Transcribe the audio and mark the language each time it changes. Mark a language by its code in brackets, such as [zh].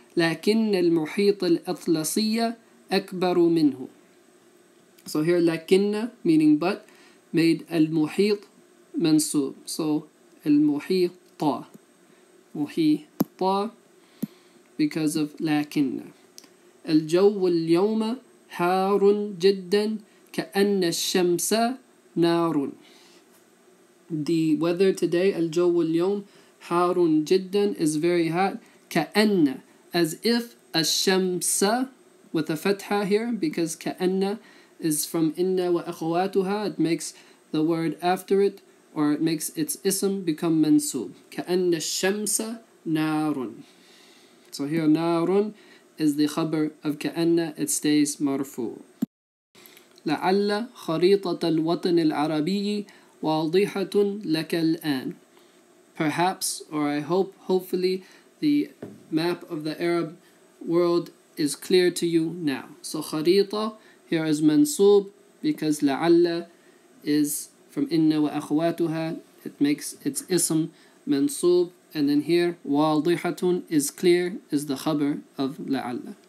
[ar] لكن المحيط الأطلسي أكبر منه. [en] So here لكن meaning but made المحيط منصوب. So المحيط. محيط because of لكن. [ar] الجو اليوم حار جدا كأن الشمس نار. [en] The weather today, [ar] الجو اليوم, حار جدا, [en] is very hot. كأن, as if, الشمس, with a fatha here, because كأن is from إن وأخواتها, it makes the word after it, or it makes its ism become منصوب. [ar] كأن الشمس نار. [en] So here, نار is the خبر of كأن, it stays مرفوع. [ar] لعل خريطة الوطن العربي واضحة لك الآن. [en] Perhaps, or I hope, hopefully, the map of the Arab world is clear to you now. So خريطة here is منصوب because لعل is from إن وأخواتها, it makes its ism منصوب, and then here واضحة is clear, is the خبر of لعل.